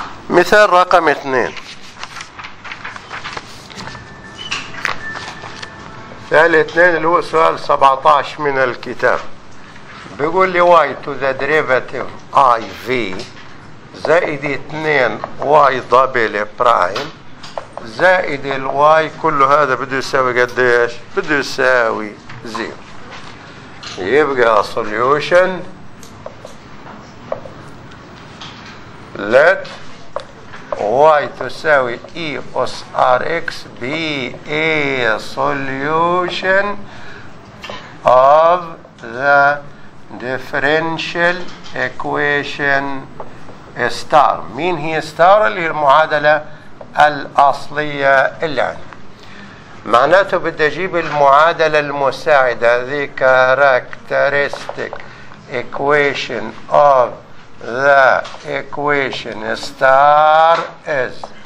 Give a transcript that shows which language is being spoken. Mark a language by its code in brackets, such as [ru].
[ar] مثال رقم 2، مثال 2 اللي هو سؤال 17 من الكتاب، بيقول لي واي تو ذا ديريفاتيف اي في زائد 2 واي دبل برايم زائد الواي كل هذا بده يساوي قديش؟ بده يساوي زيرو. يبقى [en] solution let y [ar] تساوي [en] e [ar] أس [en] r x b a solution of the differential equation star. [ar] مين هي star؟ اللي هي المعادلة الأصلية اللي معناته بدي أجيب المعادلة المساعدة [en] the characteristic equation of the equation star is.